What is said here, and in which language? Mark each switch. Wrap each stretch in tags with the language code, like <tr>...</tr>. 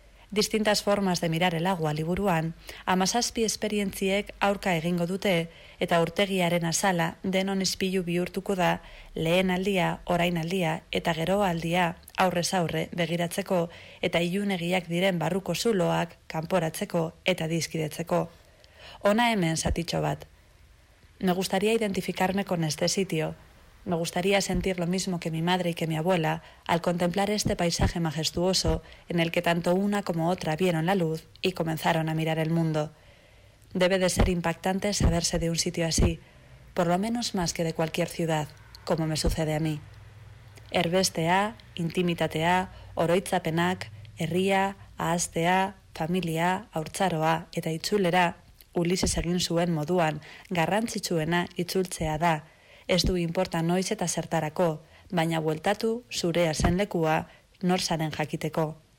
<eu>Distintas formas de mirar el agua liburuan, 17 esperientziek aurka egingo dute eta urtegiaren azala denon ispilu bihurtuko da lehen aldia, orain aldia eta gero aldia aurrez aurre begiratzeko eta ilunegiak diren barruko zuloak kanporatzeko eta dizkidetzeko. Hona hemen zatitxo bat.</eu> <es>Me gustaría identificarme con este sitio. Me gustaría sentir lo mismo que mi madre y que mi abuela al contemplar este paisaje majestuoso en el que tanto una como otra vieron la luz y comenzaron a mirar el mundo. Debe de ser impactante saberse de un sitio así, por lo menos más que de cualquier ciudad, como me sucede a mí.</es> <eu>Erbestea, intimitatea, oroitzapenak, herria, ahaztea, familia, haurtzaroa eta itzulera, Ulises egin zuen moduan, garrantzitsuena itzultzea da. Ez du inporta noiz eta zertarako, baina bueltatu zurea zen lekua norsaren jakiteko.</eu>